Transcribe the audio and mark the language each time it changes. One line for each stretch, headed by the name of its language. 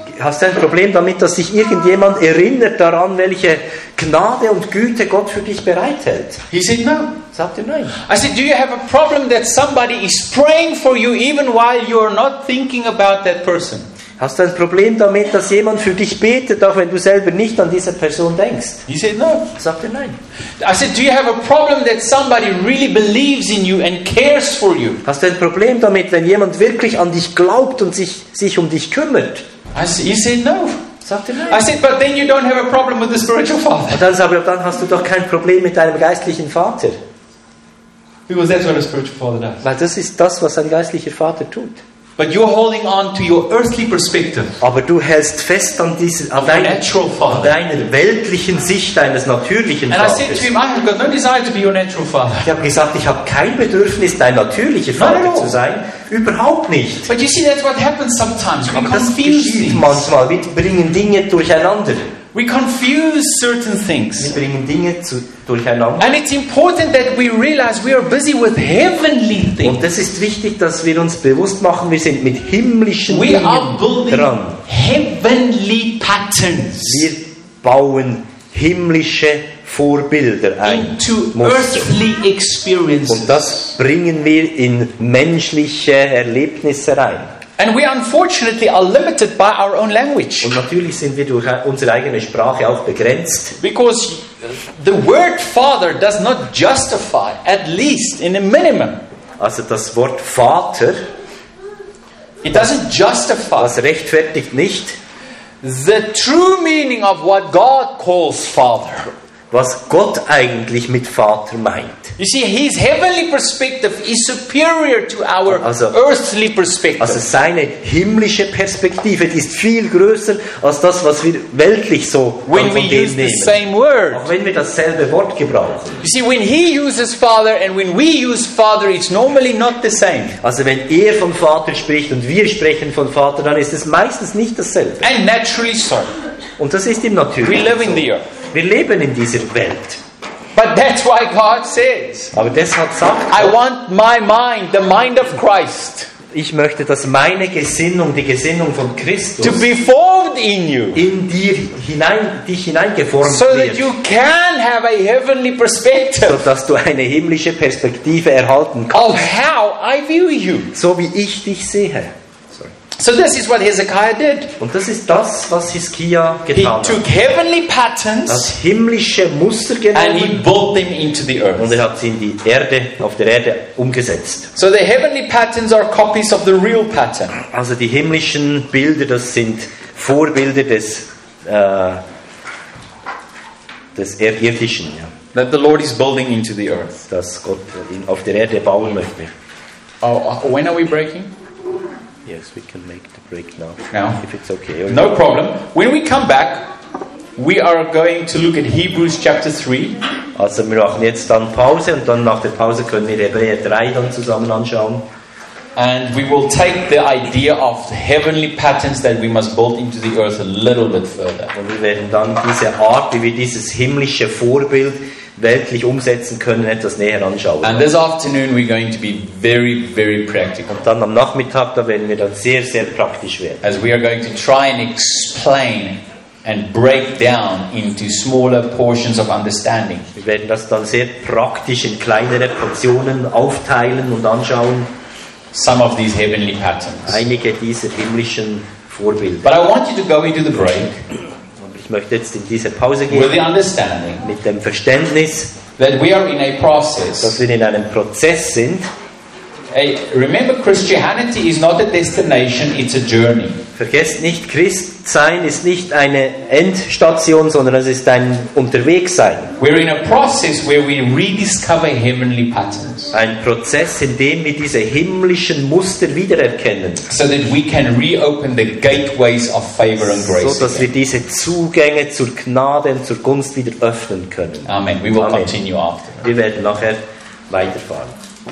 German: Hast du ein Problem damit, dass sich irgendjemand erinnert daran, welche Gnade und Güte Gott für dich bereithält?
English: He said no.
German: Sagte nein.
English: I said, do you have a problem that somebody is praying for you even while you are not thinking about that person?
German: Hast du ein Problem damit, dass jemand für dich betet, auch wenn du selber nicht an diese Person denkst?
English: He said no.
German: Sagte nein.
English: I said, do you have a problem that somebody really believes in you and cares for you?
German: Hast du ein Problem damit, wenn jemand wirklich an dich glaubt und sich um dich kümmert?
English: He said no.
German: Sagte nein.
English: I said, but then you don't have a problem with the spiritual father.
German: Und dann sagte er, dann hast du doch kein Problem mit deinem geistlichen Vater.
English: Because that's what a spiritual father does.
German: Weil das ist das, was ein geistlicher Vater tut.
English: But you're holding on to your earthly perspective.
German: Aber du hältst fest an deiner weltlichen Sicht deines natürlichen
English: And
German: Vaters.
English: And I said to him, I have got no desire to be your natural father.
German: Ich habe gesagt, ich habe kein Bedürfnis, dein natürlicher Vater zu sein. Überhaupt nicht.
English: But you see, that's what happens sometimes.
German: Aber das geschieht manchmal. Wir bringen Dinge durcheinander.
English: We confuse certain things.
German: Wir bringen Dinge durcheinander.
English: And it's important that we realize we are busy with heavenly things.
German: Und es ist wichtig, dass wir uns bewusst machen, wir sind mit himmlischen
English: we
German: Dingen
English: are building
German: dran.
English: Heavenly patterns.
German: Wir bauen himmlische Vorbilder ein.
English: Into earthly experiences.
German: Und das bringen wir in menschliche Erlebnisse rein.
English: And we unfortunately are limited by our own language.
German: Und natürlich sind wir durch unsere eigene Sprache auch begrenzt.
English: Because the word father does not justify, at least in a minimum.
German: Also das Wort Vater,
English: it doesn't justify.
German: Das rechtfertigt nicht.
English: The true meaning of what God calls father.
German: Was Gott eigentlich mit Vater meint.
English: You see, his heavenly perspective is superior to our earthly perspective.
German: Also seine himmlische Perspektive ist viel größer als das, was wir weltlich so
English: when
German: von dem nehmen.
English: The same word.
German: Auch wenn wir dasselbe Wort gebrauchen.
English: You see, when he uses father and when we use father, it's normally not the same.
German: Also wenn er von Vater spricht und wir sprechen von Vater, dann ist es meistens nicht dasselbe.
English: And naturally so.
German: Und das ist im Natürlichen.
English: We live in the earth.
German: Wir leben in dieser Welt.
English: But that's why God says.
German: Aber deshalb sagt Gott,
English: I want my mind, the mind of Christ.
German: Ich möchte, dass meine Gesinnung, die Gesinnung von Christus,
English: to be formed in you.
German: In dir hinein, dich hineingeformt
English: so
German: wird.
English: That you can have a heavenly perspective.
German: So dass du eine himmlische Perspektive erhalten kannst.
English: Of how I view you.
German: So wie ich dich sehe.
English: So this is what Hezekiah did.
German: Und das ist das, was Hiskia getan hat.
English: He took heavenly patterns,
German: das himmlische Muster genommen,
English: and he built them into the earth.
German: Und hat sie in die Erde, auf der Erde umgesetzt.
English: So the heavenly patterns are copies of the real pattern.
German: Also die himmlischen Bilder, das sind Vorbilder des des irdischen, ja.
English: That the Lord is building into the earth.
German: Dass Gott auf der Erde bauen möchte.
English: Oh, when are we breaking? Yes, we can make the break now. Now, if it's okay. No problem. When we come back, we are going to look at Hebrews chapter 3.
German: Also, wir machen jetzt dann Pause und dann nach der Pause können wir Hebräer 3 dann zusammen anschauen.
English: And we will take the idea of the heavenly patterns that we must build into the earth a little bit further.
German: Und wir werden dann diese Art, wie wir dieses himmlische Vorbild weltlich umsetzen können, etwas näher anschauen.
English: And this afternoon we're going to be very, very practical.
German: Und dann am Nachmittag, da werden wir dann sehr, sehr praktisch werden.
English: As we are going to try and explain and break down into smaller portions of understanding.
German: Wir werden das dann sehr praktisch in kleinere Portionen aufteilen und anschauen.
English: Some of these heavenly patterns.
German: Einige dieser himmlischen Vorbilder.
English: But I want you to go into the break.
German: Ich möchte jetzt in diese Pause gehen.
English: With the understanding,
German: mit dem Verständnis,
English: that we are in a process,
German: dass wir in einem Prozess sind.
English: Hey, remember, Christianity is not a destination, it's a journey.
German: Vergesst nicht, Christsein ist nicht eine Endstation, sondern es ist ein Unterwegssein.
English: We're in a process where we rediscover heavenly patterns.
German: Ein Prozess, in dem wir diese himmlischen Muster wiedererkennen.
English: So that we can reopen the gateways of favor and grace.
German: So dass wir diese Zugänge zur Gnade und zur Gunst wieder öffnen können.
English: Amen. We will continue after.
German: Wir werden nachher weiterfahren.